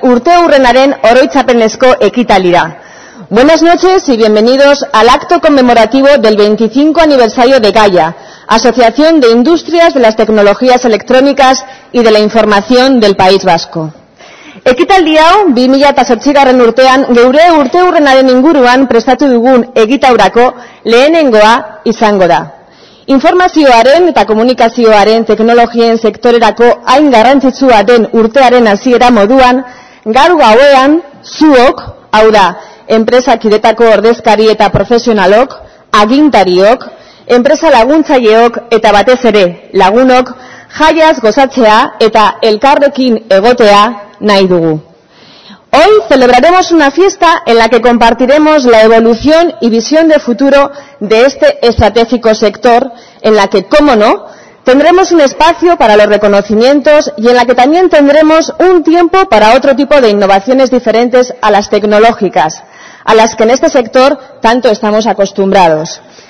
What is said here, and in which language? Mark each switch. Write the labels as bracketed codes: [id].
[eu] urteurrenaren oroitzapenezko ekitalira. [es] Buenas noches y bienvenidos al acto conmemorativo del 25 aniversario de Gaia, Asociación de Industrias de las Tecnologías Electrónicas y de la Información del País Vasco. [eu] Ekitaldi hau, 2008. urtean, geure urteurrenaren inguruan prestatu dugun egitaurako lehenengoa izango da. Informazioaren eta komunikazioaren teknologien sektorerako hain garrantzitsua den urtearen hasiera moduan, gaur gauean, zuok, hau da, enpresakidetako ordezkari eta profesionalok, agintariok, enpresa laguntzaileok eta batez ere lagunok, jaiaz gozatzea eta elkarrekin egotea nahi dugu. [es] Hoy celebraremos una fiesta en la que compartiremos la evolución y visión de futuro de este estratégico sector, en la que, cómo no, tendremos un espacio para los reconocimientos y en la que también tendremos un tiempo para otro tipo de innovaciones diferentes a las tecnológicas, a las que en este sector tanto estamos acostumbrados.